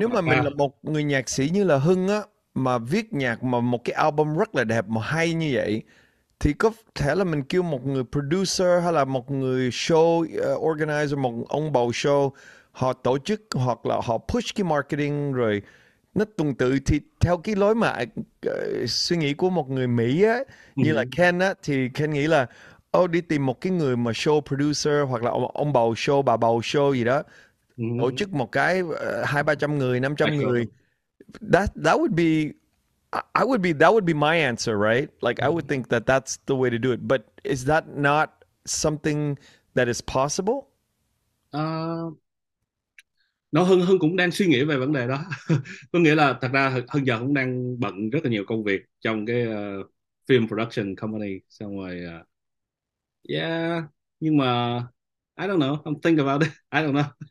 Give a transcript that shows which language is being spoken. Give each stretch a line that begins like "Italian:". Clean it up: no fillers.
Vietnamese: nếu mà mình là một người nhạc sĩ như là Hưng á, mà viết nhạc mà một cái album rất là đẹp mà hay như vậy, thì có thể là mình kêu một người producer hay là một người show organizer, một ông bầu show, họ tổ chức hoặc là họ push cái marketing rồi nó tuần tự, thì theo cái lối mà suy nghĩ của một người Mỹ á, như là Ken á, thì Ken nghĩ là đi tìm một cái người mà show producer hoặc là ông bầu show, bà bầu show gì đó, tổ chức một cái 200 300 người, 500 người.
English: That would be I would be that would be my answer, right? Like I would think that that's the way to do it. But is that not something that is possible?
Vietnamese: Nó Hưng Hưng cũng đang suy nghĩ về vấn đề đó. Có nghĩa là thật ra Hưng giờ cũng đang bận rất là nhiều công việc trong cái film production company, xong rồi nhưng mà
English: I don't know, I'm thinking about it, I don't know.